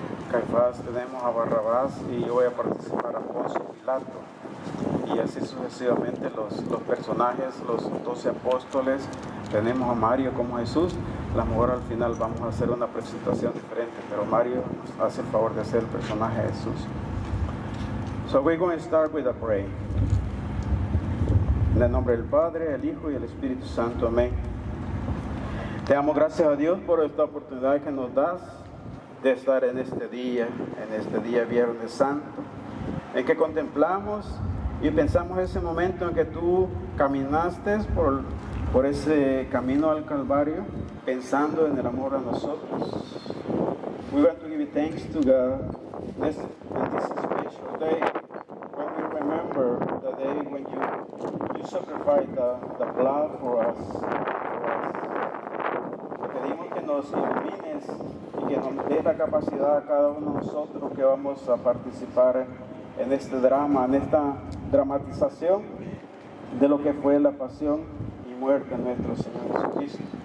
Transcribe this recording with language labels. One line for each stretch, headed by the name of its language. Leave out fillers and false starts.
Spanish: Caifás, tenemos a Barrabás y yo voy a participar a Poncio Pilato. Y así sucesivamente los personajes, los 12 apóstoles, tenemos a Mario como Jesús. A lo mejor al final vamos a hacer una presentación diferente, pero Mario nos hace el favor de hacer el personaje de Jesús.
English: So we're going to start with a prayer.
Spanish: En el nombre del Padre, el Hijo y el Espíritu Santo. Amén. Te damos gracias a Dios por esta oportunidad que nos das de estar en este día Viernes Santo, en que contemplamos y pensamos ese momento en que tú caminaste por ese camino al Calvario, pensando en el amor a nosotros.
English: We want to give thanks to God this special day when we remember the day when you sacrificed the blood for us.
Spanish: Te pedimos que nos ilumines y que nos dé la capacidad a cada uno de nosotros que vamos a participar en este drama, en esta dramatización de lo que fue la pasión y muerte de nuestro Señor Jesucristo.